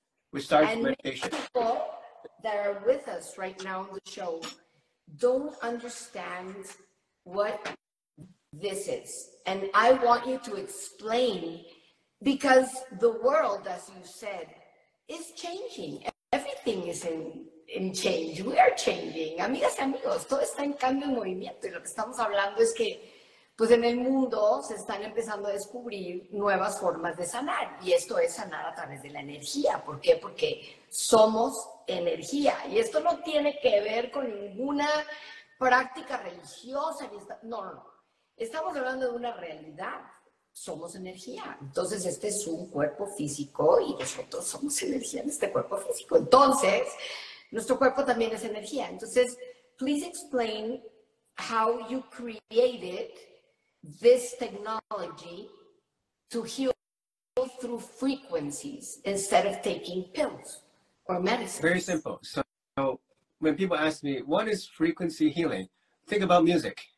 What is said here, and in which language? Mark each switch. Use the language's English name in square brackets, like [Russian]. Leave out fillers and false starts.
[English] Which started through meditation. That are with us right now on the show don't understand what this is. And I want you to explain, because the world, as you said, is changing. Everything is in change. We are changing. [Spanish] Amigas y amigos, todo está en cambio y movimiento. Y lo que estamos hablando es que, pues en el mundo se están empezando a descubrir nuevas formas de sanar. Y esto es sanar a través de la energía. ¿Por qué? Porque somos energía. Y esto no tiene que ver con ninguna práctica religiosa. No. Estamos hablando de una realidad. Somos energía. Entonces, este es un cuerpo físico y nosotros somos energía en este cuerpo físico. Entonces, nuestro cuerpo también es energía. Entonces, [English] please explain how you created this technology to heal through frequencies instead of taking pills or medicine. Very simple. So when people ask me, what is frequency healing? Think about music.